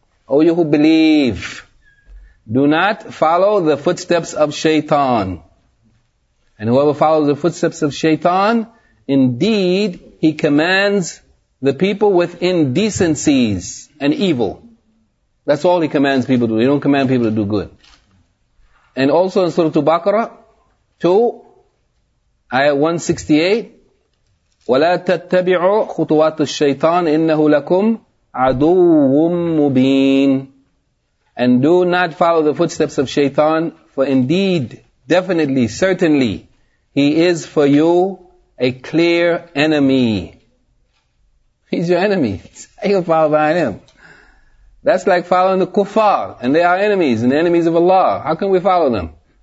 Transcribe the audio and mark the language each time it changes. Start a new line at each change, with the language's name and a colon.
English: Oh, you who believe, do not follow the footsteps of shaytan. And whoever follows the footsteps of shaytan, indeed, he commands the people with indecencies and evil. That's all he commands people to do. He don't command people to do good. And also in Surah Al-Baqarah 2, ayah 168,
Arabic: وَلَا تَتَّبِعُوا خُطُوَاتُ الشَّيْطَانِ إِنَّهُ لَكُمْ عَدُوٌ مُّبِينٌ.
English: And do not follow the footsteps of shaitan, for indeed, definitely, certainly, he is for you a clear enemy. He's your enemy. You can follow behind him. That's like following the kuffar, and they are enemies, and enemies of Allah. How can we follow them?